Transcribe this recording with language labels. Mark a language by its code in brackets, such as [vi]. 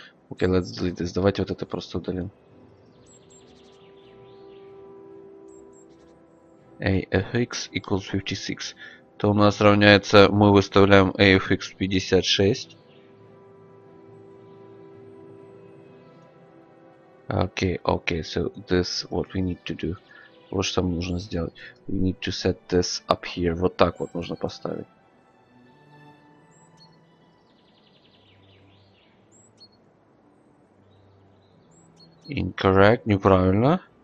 [en] Okay, let's delete this. [ru] Давайте вот это просто удалим. [en] AFX equals 56. [ru] То у нас равняется, мы выставляем AFX 56. [en] Okay, okay, so this what we need to do. [ru] Вот что нам нужно сделать. [en] We need to set this up here. [ru] Вот так вот нужно поставить. [en] Incorrect, [ru] неправильно.